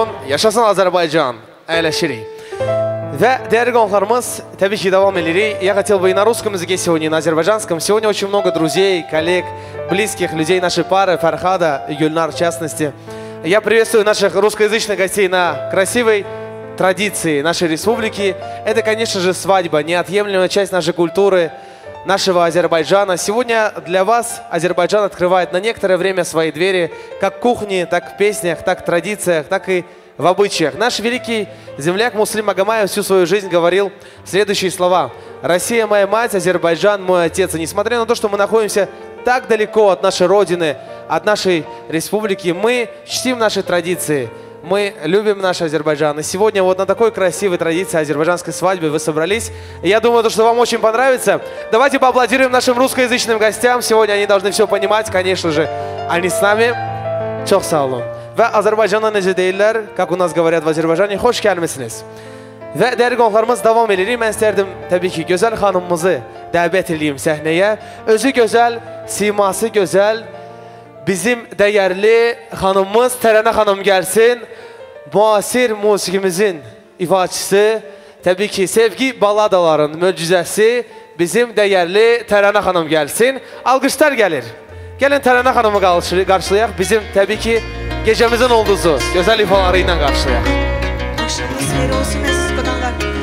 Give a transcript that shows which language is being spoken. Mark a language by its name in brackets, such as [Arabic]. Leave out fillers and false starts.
[Azerbaijani] Yaşasın Azərbaycan, əyləşirik. Və dəyəri qonaqlarımız, təbii ki, davam edirik. [Russian] Я хотел бы и на русском языке сегодня, и на азербайджанском. Сегодня очень много друзей, коллег, близких людей нашей пары, Фархада и Гюльнар в частности. Я приветствую наших русскоязычных гостей на красивой традиции нашей республики. Это, конечно же, свадьба, неотъемлемая часть нашей культуры, нашего Азербайджана. Сегодня для вас Азербайджан открывает на некоторое время свои двери, как в кухне, так в песнях, так в традициях, так и в обычаях. Наш великий земляк Муслим Магомаев всю свою жизнь говорил следующие слова. «Россия – моя мать, Азербайджан – мой отец». И несмотря на то, что мы находимся так далеко от нашей родины, от нашей республики, мы чтим наши традиции, мы любим наш Азербайджан. И сегодня вот на такой красивой традиции азербайджанской свадьбы вы собрались. И я думаю, что вам очень понравится. Давайте поаплодируем нашим русскоязычным гостям. Сегодня они должны все понимать, конечно же. Они с нами. [Azerbaijani] Чок сау олун. Ve Azerbaycan'a necə deyirlər, [Russian] как у нас говорят в Азербайджане, [Azerbaijani] hoş gəlmisiniz. Ve dəyərli qonaqlarımız davam edirik. Mən istərdim, təbii ki, gözəl xanımımızı dəvət edeyim səhnəyə. Özü gözəl, siması gözəl, bizim dəyərli xanımımız Tərənə xanım gəlsin. Müasir musiqimizin ifaçısı, təbii ki, sevgi baladaların möcüzəsi, bizim dəyərli Tərənə xanım gəlsin. Alqışlar gəlir. Gəlin Tərənə xanımı qarşılayaq. Bizim təbii ki, gecemizin ulduzu, güzel ifalarıyla karşılayalım. Başınız hayır olsun aziz kadınlar.